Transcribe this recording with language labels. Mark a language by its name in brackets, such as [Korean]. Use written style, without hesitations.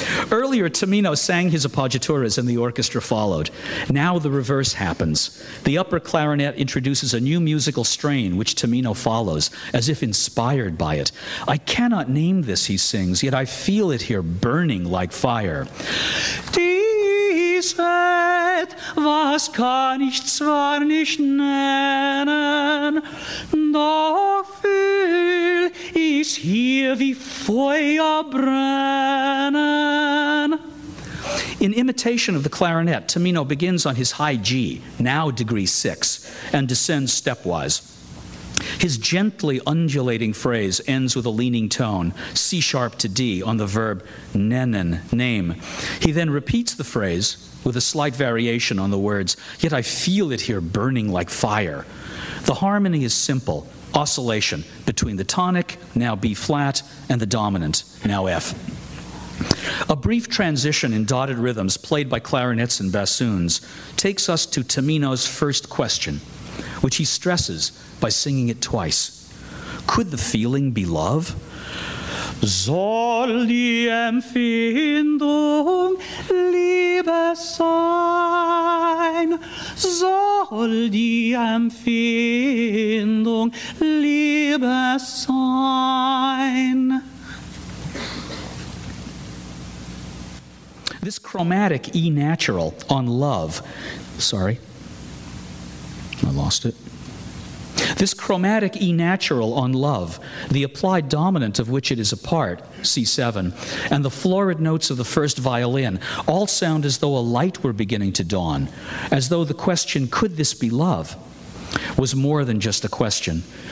[English] Earlier, Tamino sang his appoggiaturas and the orchestra followed. Now the reverse happens. The upper clarinet introduces a new musical strain, which Tamino follows, as if inspired by it. I cannot name this, he sings, yet I feel it here burning like fire. [German] Dieset, was kann ich zwar nicht nennen, doch fühl ich hier wie Feuer brennen. [English] In imitation of the clarinet, Tamino begins on his high G, now degree 6, and descends stepwise. His gently undulating phrase ends with a leaning tone, C sharp to D, on the verb nennen, name. He then repeats the phrase with a slight variation on the words, yet I feel it here burning like fire. The harmony is simple, oscillation between the tonic, now B flat, and the dominant, now F. A brief transition in dotted rhythms played by clarinets and bassoons takes us to Tamino's first question, which he stresses by singing it twice. Could the feeling be love? [German] Soll die Empfindung Liebe sein? Soll die Empfindung Liebe sein? [English] This chromatic E natural on love, sorry, I lost it. This chromatic E natural on love, the applied dominant of which it is a part, C7, and the florid notes of the first violin, all sound as though a light were beginning to dawn, as though the question, could this be love, was more than just a question.